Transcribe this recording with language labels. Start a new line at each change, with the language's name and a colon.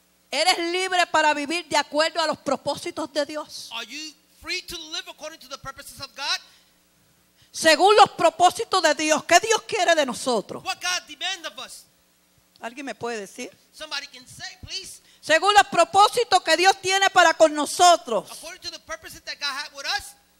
Spanish: Eres libre para vivir de acuerdo a los propósitos de Dios.
English: Are you free to live according to the purposes of God?
Spanish: Según los propósitos de Dios, ¿qué Dios quiere de nosotros?
English: What God demands of us?
Spanish: ¿Alguien me puede decir?
English: Somebody can say, please.
Spanish: Según los propósitos que Dios tiene para con nosotros.
English: According to the purposes that God had with us.